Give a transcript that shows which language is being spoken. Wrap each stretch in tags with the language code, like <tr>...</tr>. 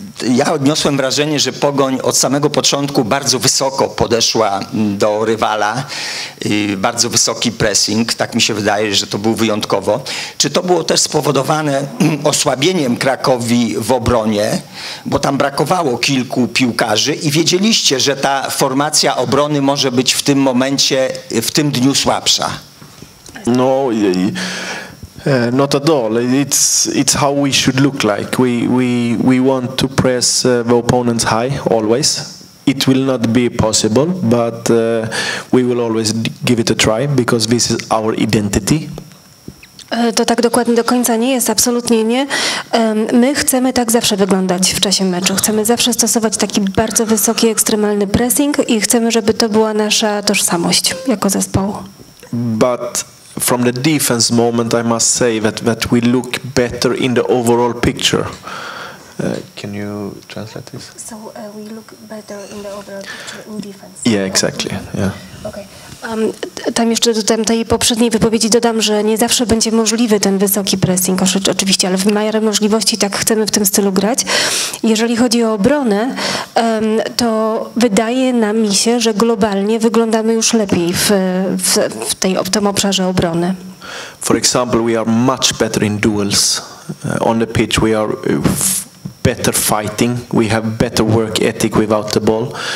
<pl>Ja odniosłem wrażenie, że Pogoń od samego początku bardzo wysoko podeszła do rywala, bardzo wysoki pressing, tak mi się wydaje, że to było wyjątkowo. Czy to było też spowodowane osłabieniem Krakowi w obronie, bo tam brakowało kilku piłkarzy i wiedzieliście, że ta formacja obrony może być w tym momencie, w tym dniu słabsza? No i...</pl> <en>not at all. It's how we should look like. We want to press the opponents high always. It will not be possible, but we will always give it a try because this is our identity.</en> <pl>To tak dokładnie do końca nie jest, absolutnie nie. My chcemy tak zawsze wyglądać w czasie meczu. Chcemy zawsze stosować taki bardzo wysoki, ekstremalny pressing i chcemy, żeby to była nasza tożsamość jako zespołu.</pl> <en>But from the defense moment, I must say that we look better in the overall picture. Can you translate this? So we look better in the overall picture in defense. Yeah, exactly. Yeah. Okay.</en> <pl>Tam jeszcze do tej poprzedniej wypowiedzi dodam, że nie zawsze będzie możliwy ten wysoki pressing, oczywiście, ale w miarę możliwości tak chcemy w tym stylu grać. Jeżeli chodzi o obronę, to wydaje nam się, że globalnie wyglądamy już lepiej w tym obszarze obrony.</pl> <en>For example, we are much better in duels. On the pitch we are better fighting, we have better work ethic without the ball.</en>